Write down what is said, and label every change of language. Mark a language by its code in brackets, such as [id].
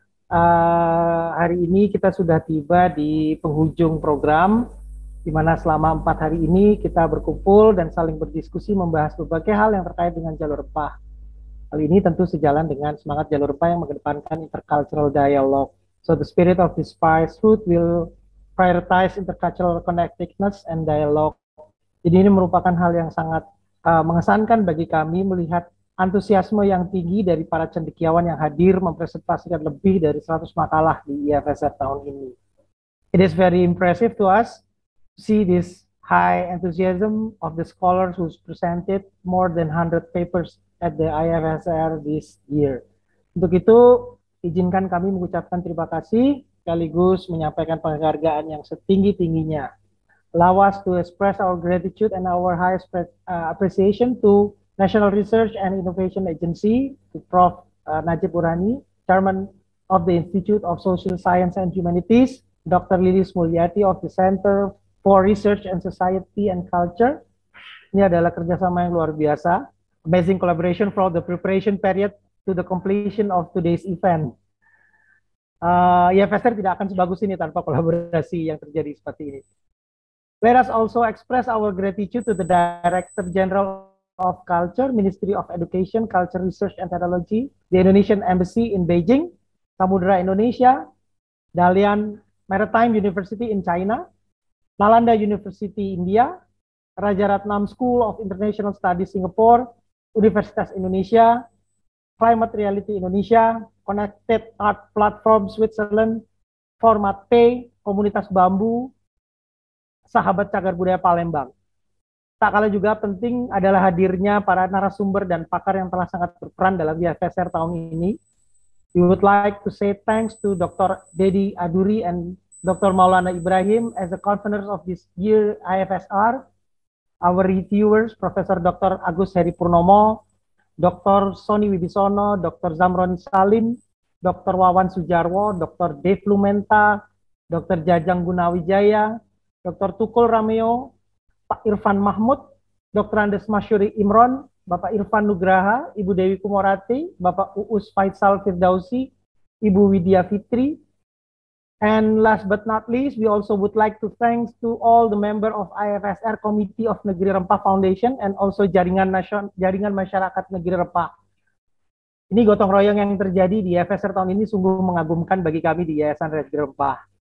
[id] Hari ini kita sudah tiba di penghujung program, di mana selama 4 hari ini kita berkumpul dan saling berdiskusi membahas berbagai hal yang terkait dengan jalur rempah. Hal ini tentu sejalan dengan semangat jalur rempah yang mengedepankan intercultural dialogue. [en] So the spirit of this spice route will prioritize intercultural connectedness and dialogue. [id] Jadi ini merupakan hal yang sangat mengesankan bagi kami melihat antusiasme yang tinggi dari para cendekiawan yang hadir mempresentasikan lebih dari 100 makalah di IFSR tahun ini. [en] It is very impressive to us to see this high enthusiasm of the scholars who presented more than 100 papers at the IFSR this year. [id] Untuk itu, izinkan kami mengucapkan terima kasih sekaligus menyampaikan penghargaan yang setinggi-tingginya. [en] Allow us to express our gratitude and our highest appreciation to National Research and Innovation Agency, to Prof. Najib Urani, Chairman of the Institute of Social Science and Humanities, Dr. Lilis Mulyati of the Center for Research and Society and Culture. [id] Ini adalah kerjasama yang luar biasa. [en] Amazing collaboration from the preparation period to the completion of today's event. [id] IFSR tidak akan sebagus ini tanpa kolaborasi yang terjadi seperti ini. [en] Let us also express our gratitude to the Director General of Culture, Ministry of Education, Culture Research and Technology, the Indonesian Embassy in Beijing, Samudra Indonesia, Dalian Maritime University in China, Nalanda University India, Rajaratnam School of International Studies Singapore, Universitas Indonesia, Climate Reality Indonesia, Connected Art Platform Switzerland, Format P, Komunitas Bambu, Sahabat Cagar Budaya Palembang. [id] Tak kalah juga penting adalah hadirnya para narasumber dan pakar yang telah sangat berperan dalam IFSR tahun ini. [en] We would like to say thanks to Dr. Dedi Aduri and Dr. Maulana Ibrahim as the conveners of this year IFSR. Our reviewers, Professor Dr. Agus Heri Purnomo, Dr. Sony Wibisono, Dr. Zamroni Salim, Dr. Wawan Sujarwo, Dr. Dave Lumenta, Dr. Jajang Gunawijaya, Dr. Tukul Rameo, Pak Irfan Mahmud, Dr. Andes Masyuri Imron, Bapak Irfan Nugraha, Ibu Dewi Kumorati, Bapak Uus Faisal Firdausi, Ibu Widya Fitri. And last but not least, we also would like to thanks to all the member of IFSR Committee of Negeri Rempah Foundation and also [id] jaringan masyarakat Negeri Rempah. Ini gotong royong yang terjadi di IFSR tahun ini sungguh mengagumkan bagi kami di Yayasan Negeri Rempah.